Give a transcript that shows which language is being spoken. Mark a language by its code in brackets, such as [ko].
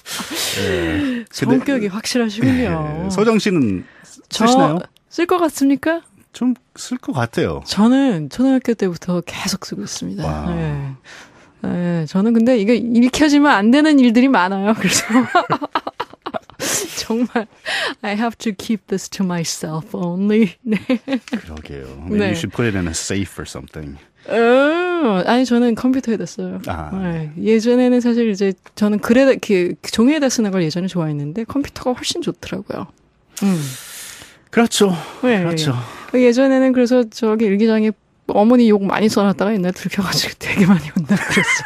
[ko] 네. 성격이 근데, 확실하시군요. 네. 소정 씨는 쓰시나요? 쓸 것 같습니까? 좀 쓸 것 같아요. 저는 초등학교 때부터 계속 쓰고 있습니다. 와. 네. 네, 저는 근데 이게 읽혀지면 안 되는 일들이 많아요. 그래서 정말 [en] I have to keep this to myself only. [ko] 네. 그러게요. [en] I mean, 네. You should put it in a safe or something. [ko] 아니 저는 컴퓨터에다 써요. 아. 네. 예전에는 사실 이제 저는 글에다 그 종이에다 쓰는 걸 예전에 좋아했는데 컴퓨터가 훨씬 좋더라고요. 그렇죠. 네. 그렇죠. 예전에는 그래서 저기 일기장에 어머니 욕 많이 써놨다가 옛날에 들켜가지고 되게 많이 혼나 그랬어요.